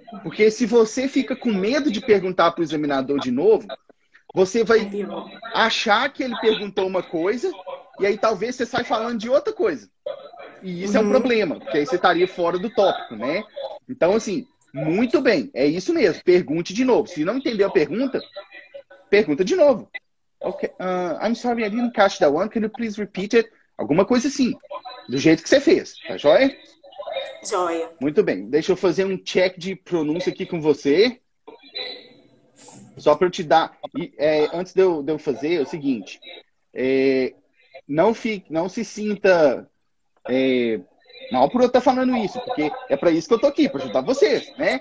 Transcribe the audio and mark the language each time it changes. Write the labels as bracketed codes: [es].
[pt] Porque se você fica com medo de perguntar para o examinador de novo, você vai achar que ele perguntou uma coisa e aí talvez você saia falando de outra coisa. E isso é um problema, porque aí você estaria fora do tópico, né? Então, assim, muito bem, é isso mesmo, pergunte de novo. Se não entendeu a pergunta, pergunta de novo. [en] Ok, I'm sorry, I didn't catch that one, can you please repeat it? [pt] Alguma coisa assim, do jeito que você fez, tá joia? Joia. Muito bem, deixa eu fazer um check de pronúncia aqui com você. Só para eu te dar, antes de eu fazer, é o seguinte, não se sinta mal por eu estar falando isso, porque é para isso que eu tô aqui, para ajudar vocês, né?